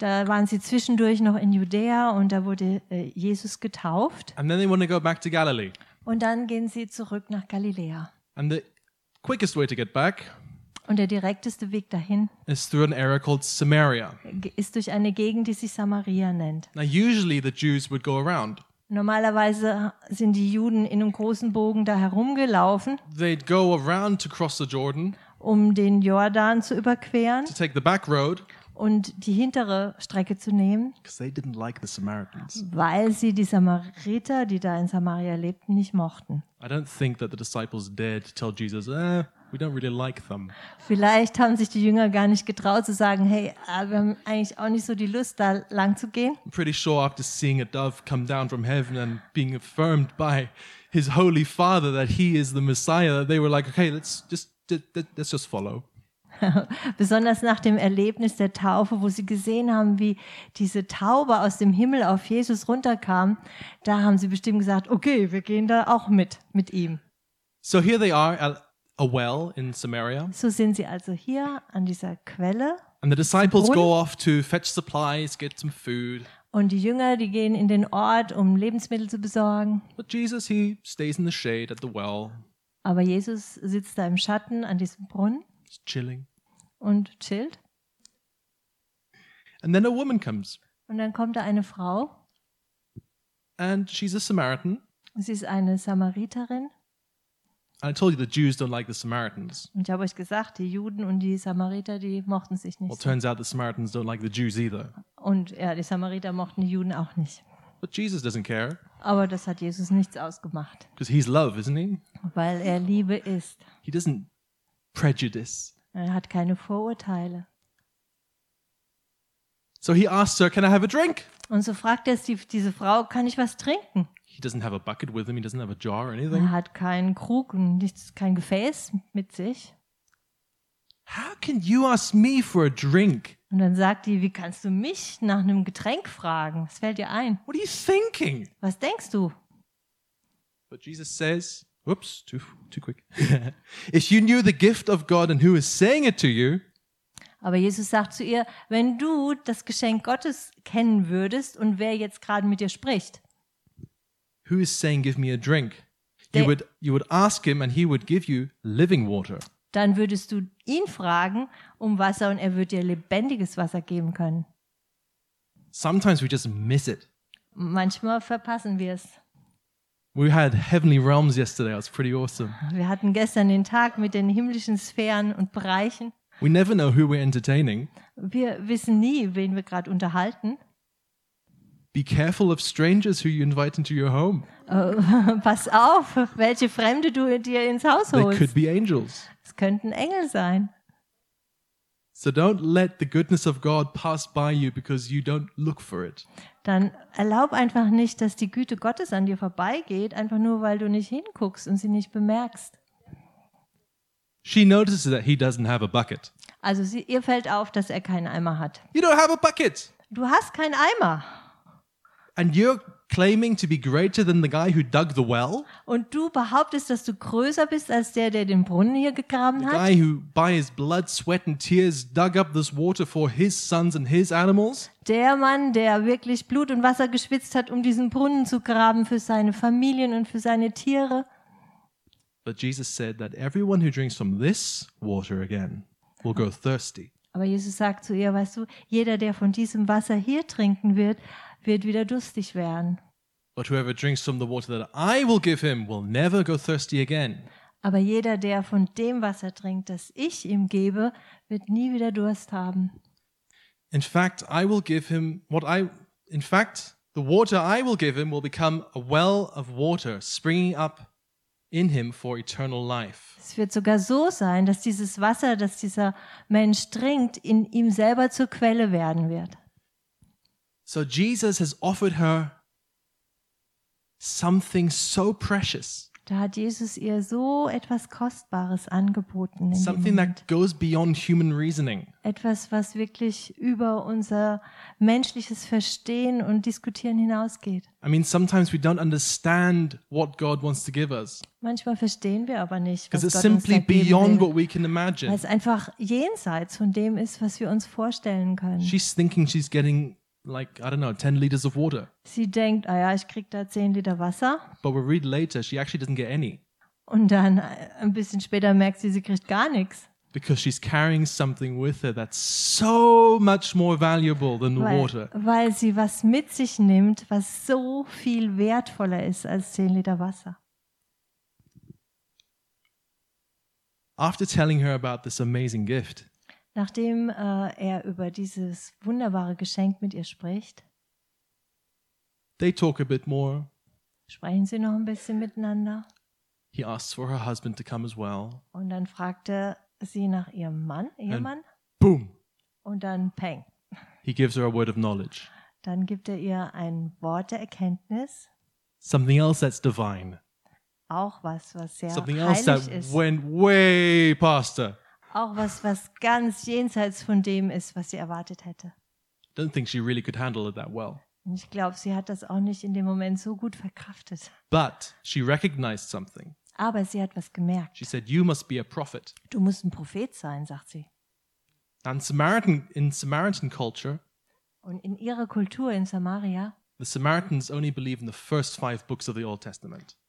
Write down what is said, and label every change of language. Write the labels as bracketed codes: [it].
[de] Da waren sie zwischendurch noch in Judäa und da wurde Jesus getauft. [en] And then they want to go back to Galilee. [de] Und dann gehen sie zurück nach Galiläa. [en] And the quickest way to get back, [de] und der direkteste Weg dahin, [en] is through an area called Samaria. [de] Ist durch eine Gegend, die sich Samaria nennt. [en] Now usually the Jews would go around. [de] Normalerweise sind die Juden in einem großen Bogen da herumgelaufen. [en] They'd go around to cross the Jordan, [de] um den Jordan zu überqueren. [en] To take the back road, [de] und die hintere Strecke zu nehmen. [en] Because they didn't like the Samaritans. [de] Weil sie die Samariter, die da in Samaria lebten, nicht mochten. [en] I don't think that the disciples dared to tell Jesus, eh, we don't really like them. [de] Vielleicht haben sich die Jünger gar nicht getraut zu sagen, hey, wir haben eigentlich auch nicht so die Lust, da lang zu gehen. [en] I'm pretty sure after seeing a dove come down from heaven and being affirmed by his holy father that he is the Messiah, they were like, okay, let's just follow. [de] Besonders nach dem Erlebnis der Taufe, wo sie gesehen haben, wie diese Taube aus dem Himmel auf Jesus runterkam, da haben sie bestimmt gesagt, okay, wir gehen da auch mit ihm. [en] So here they are at a well in Samaria. [de] So sind sie also hier an dieser Quelle. [en] And the disciples go off to fetch supplies, get some food. [de] Und die Jünger, die gehen in den Ort, um Lebensmittel zu besorgen. [en] But Jesus, he stays in the shade at the well. [de] Aber Jesus sitzt da im Schatten an diesem Brunnen. [en] He's chilling. [de] Und chillt. [en] And then a woman comes. [de] Und dann kommt da eine Frau. [en] And she's a Samaritan. [de] Sie ist eine Samariterin. [en] I told you the Jews don't like the Samaritans. [de] Und ich habe euch gesagt, die Juden und die Samariter, die mochten sich nicht. [en] Well, turns out the Samaritans don't like the Jews either. [de] Und ja, die Samariter mochten die Juden auch nicht. [en] But Jesus doesn't care. [de] Aber das hat Jesus nichts ausgemacht. [en] Because he's love, isn't he? [de] Weil er Liebe ist. [en] He doesn't prejudice. [de] Er hat keine Vorurteile. [en] So he asks her, "Can I have a drink?" [de] Und so fragt er diese Frau, kann ich was trinken? [en] He doesn't have a bucket with him, he doesn't have a jar or anything. [de] Er hat keinen Krug und nichts, kein Gefäß mit sich. [en] How can you ask me for a drink? [de] Und dann sagt die, wie kannst du mich nach einem Getränk fragen? Was fällt dir ein? [en] What are you thinking? [de] Was denkst du? [en] But Jesus says, oops, too quick. If you knew the gift of God and who is saying it to you. [de] Aber Jesus sagt zu ihr, wenn du das Geschenk Gottes kennen würdest und wer jetzt gerade mit dir spricht. [en] Who is saying give me a drink? You would ask him and he would give you living water. [de] Dann würdest du ihn fragen um Wasser und er würde dir lebendiges Wasser geben können. [en] Sometimes we just miss it. [de] Manchmal verpassen wir es. [en] We had heavenly realms yesterday. It was pretty awesome. [de] Wir hatten gestern den Tag mit den himmlischen Sphären und Bereichen. [en] We never know who we're entertaining. [de] Wir wissen nie, wen wir gerade unterhalten. [en] Be careful of strangers who you invite into your home. [de] Pass auf, welche Fremde du dir ins Haus holst. [en] They could be angels. [de] Es könnten Engel sein. [en] So don't let the goodness of God pass by you because you don't look for it. [de] Dann erlaub einfach nicht, dass die Güte Gottes an dir vorbeigeht, einfach nur weil du nicht hinguckst und sie nicht bemerkst. [en] She notices that he doesn't have a bucket. [de] Also ihr fällt auf, dass er keinen Eimer hat. [en] You don't have a bucket. [de] Du hast keinen Eimer. [en] And you're claiming to be greater than the guy who dug the well? [de] Und du behauptest, dass du größer bist als der, der den Brunnen hier gegraben hat? [en] The guy who by his blood, sweat and tears dug up this water for his sons and his animals? [de] Der Mann, der wirklich Blut und Wasser geschwitzt hat, um diesen Brunnen zu graben für seine Familien und für seine Tiere? [en] But Jesus said that everyone who drinks from this water again will grow thirsty. [de] Aber Jesus sagt zu ihr, weißt du, jeder, der von diesem Wasser hier trinken wird, wird wieder durstig werden. [en] But whoever drinks from the water that I will give him will never go thirsty again. [de] Aber jeder, der von dem Wasser trinkt, das ich ihm gebe, wird nie wieder Durst haben. [en] In fact, I will give him what I. In fact, the water I will give him will become a well of water springing up in him for eternal life. [de] Es wird sogar so sein, dass dieses Wasser, das dieser Mensch trinkt, in ihm selber zur Quelle werden wird. [en] So Jesus has offered her something so precious. [de] Da hat Jesus ihr so etwas Kostbares angeboten. [en] Something that goes beyond human reasoning. [de] Etwas, was wirklich über unser menschliches Verstehen und Diskutieren hinausgeht. [en] I mean, sometimes we don't understand what God wants to give us. [de] Manchmal verstehen wir aber nicht, was Gott uns da geben will. [en] Because it's simply beyond what we can imagine. [de] Weil es einfach jenseits von dem ist, was wir uns vorstellen können. [en] She's thinking she's getting like, I don't know, 10 liters of water. [de] Sie denkt, ah ja, ich krieg da 10 Liter Wasser. [en] But we read later, she actually doesn't get any. [de] Und dann ein bisschen später merkt sie, sie kriegt gar nichts. [en] Because she's carrying something with her that's so much more valuable than the water. [de] Weil sie was mit sich nimmt, was so viel wertvoller ist als 10 Liter Wasser. [en] After telling her about this amazing gift, [de] nachdem er über dieses wunderbare Geschenk mit ihr spricht, [en] they talk a bit more. [de] Sprechen sie noch ein bisschen miteinander. [en] He asks for her husband to come as well. [de] Und dann fragte sie nach ihrem Mann, Ehemann. [en] And boom. [de] Und dann peng. [en] He gives her a word of knowledge. [de] Dann gibt er ihr ein Wort der Erkenntnis. [en] Something else that's divine. [de] Auch was, was sehr [en] Something [de] heilig [en] else that [de] ist. [en] Went way past her. [de] Auch was, was ganz jenseits von dem ist, was sie erwartet hätte. [en] Don't think she really could handle it that well. [de] Ich glaube, sie hat das auch nicht in dem Moment so gut verkraftet. [en] But she recognized something. [de] Aber sie hat was gemerkt. [en] She said, "You must be a prophet." [de] Du musst ein Prophet sein, sagt sie. [en] And Samaritan, in Samaritan culture, [de] und in ihrer Kultur in Samaria, [en] the Samaritans only believe in the first 5 books of the Old Testament.